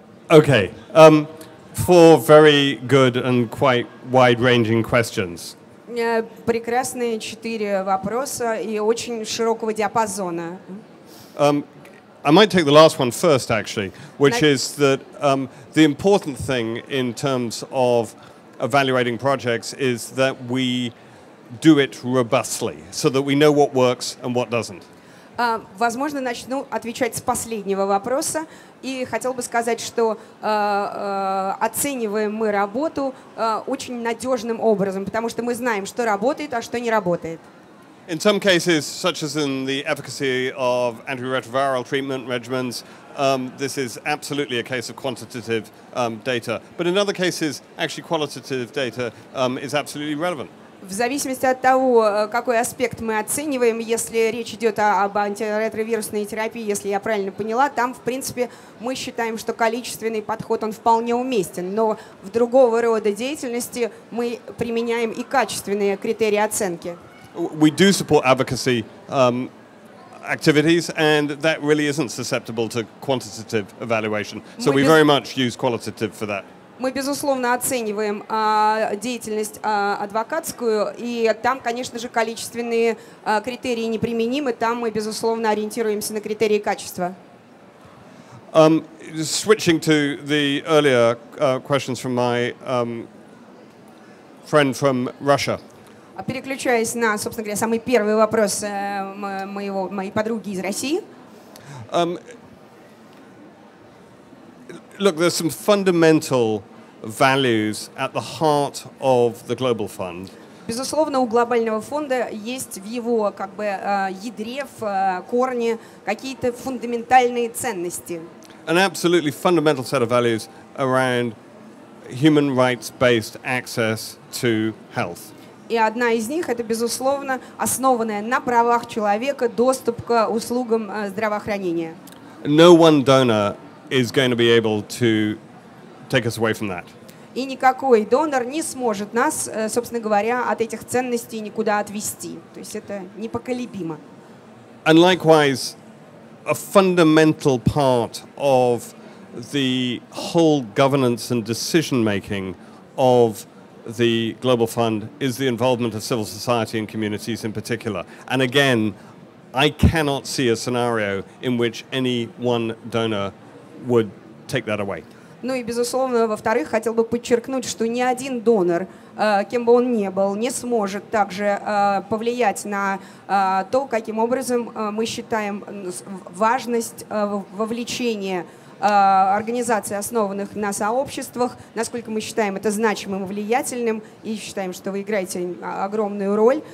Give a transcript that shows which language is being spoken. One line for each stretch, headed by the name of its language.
English: Okay, four very good and quite wide-ranging questions.
Russian: Прекрасные четыре вопроса и очень широкого диапазона.
English: I might take the last one first, actually, which is that the important thing in terms of evaluating projects is that we do it robustly, so that we know what works and what doesn't.
Russian: Возможно, начну отвечать с последнего вопроса. И хотел бы сказать, что оцениваем мы работу очень надежным образом, потому что мы знаем, что работает, а что не работает.
English: In some cases, such as in the efficacy of antiretroviral treatment regimens, this is absolutely a case of quantitative data. But in other cases, actually qualitative data is absolutely relevant.
Russian: В зависимости от того, какой аспект мы оцениваем, если речь идет об антиретровирусной терапии, если я правильно поняла, там, в принципе, мы считаем, что количественный подход, он вполне уместен. Но в другого рода деятельности мы применяем и качественные критерии оценки.
English: We do support advocacy activities, and that really isn't susceptible to quantitative evaluation. So we very much use qualitative for that.
Russian: Мы, безусловно, оцениваем деятельность адвокатскую, и там, конечно же, количественные критерии неприменимы, там мы, безусловно, ориентируемся на критерии качества.
English: Switching to the earlier questions from my friend from Russia.
Russian: Переключаясь на, собственно говоря, самый первый вопрос моей подруги из России.
English: Look, there's some fundamental values at the heart of the Global Fund.
Russian: Безусловно, у глобального фонда есть в его как бы ядре, в корне какие-то фундаментальные ценности.
English: An absolutely fundamental set of values around human rights-based access to health.
Russian: И одна из них это безусловно основанная на правах человека доступ к услугам здравоохранения.
English: No one donor is going to be able to take us away from that.
Russian: И никакой донор не сможет нас, собственно говоря, от этих ценностей никуда отвести. То есть это непоколебимо.
English: And likewise, a fundamental part of the whole governance and decision-making of the Global Fund is the involvement of civil society and communities in particular. And again, I cannot see a scenario in which any one donor would take that away.
Russian: Ну и, безусловно, во-вторых, хотел бы подчеркнуть, что ни один донор, кем бы он ни был, не сможет также повлиять на то, каким образом мы считаем важность вовлечения организаций, основанных на сообществах, насколько мы считаем это значимым и влиятельным, и считаем, что вы играете огромную роль.